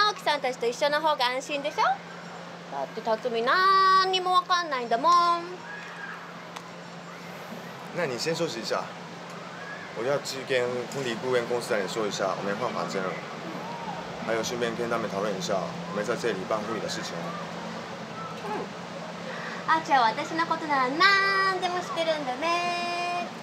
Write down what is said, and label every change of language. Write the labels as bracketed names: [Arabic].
[Japanese] 私と一緒の方が安心でしょ。だってタツミ何にも分かんないんだもん。 [Chinese] 那你先休息一下，我要去跟婚礼顾问公司的人说一下，我们换房间了。还有顺便跟他们讨论一下，我们在这里办婚礼的事情。嗯， [Japanese] 阿巧，私のことなら何でも知ってるんだね。